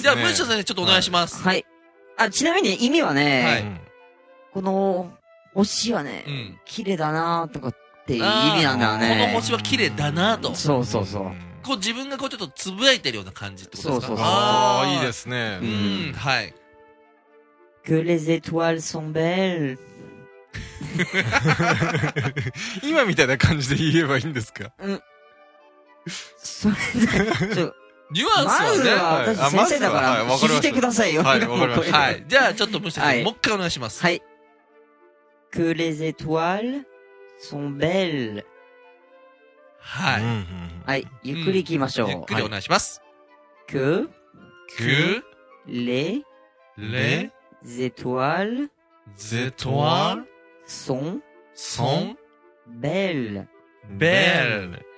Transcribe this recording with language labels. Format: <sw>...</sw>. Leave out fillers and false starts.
<ja>じゃあ、ムッシュ先生ちょっとお願いします。はい。はい、あ、ちなみに意味はね、はい、この星はね、うん、綺麗だなとかっていう意味なんだよね。この星は綺麗だなと、うん。そうそうそう。こう自分がこうちょっとつぶやいてるような感じってことですか。そうそうそう。ああ、いいですね。うん、うん、はい。</ja> <fr>Que les étoiles sont belles.</fr> <ja>今みたいな感じで言えばいいんですか。うん。それ、ちょ、ニュアンスはね。マウルは私先生だから、はい、信じてくださいよ。はい、わかりました。はい。じゃあ、ちょっと無視して、もう一回お願いします。はい。</ja> <fr>Que les étoiles sont belles.</fr> <ja>はい。はい。ゆっくり行きましょう。ゆっくりお願いします。</ja> <fr>Que, que, les étoiles, étoiles, sont, sont, belles. Belles.</fr>